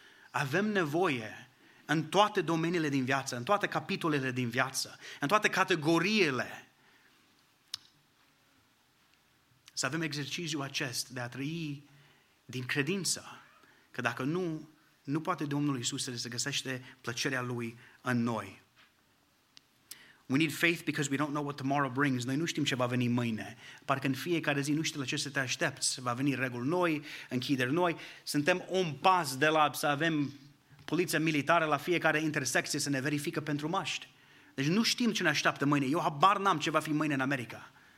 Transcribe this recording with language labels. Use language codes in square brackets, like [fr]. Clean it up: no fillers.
[ro] Avem nevoie în toate domeniile din viață, în toate capitolele din viață, în toate categoriile, să avem exercițiul acest de a trăi din credință, că dacă nu poate Domnul Iisus să se găsește plăcerea Lui în noi. [en] We need faith because we don't know what tomorrow brings. [ro] Noi nu știm ce va veni mâine. Parcă în fiecare zi nu știi la ce să te aștepți. Va veni reguli noi, închideri noi. Suntem un pas de la să avem poliția militară la fiecare intersecție să ne verifică pentru maști. Deci nu știm ce ne așteaptă mâine. Eu habar n-am ce va fi mâine în America.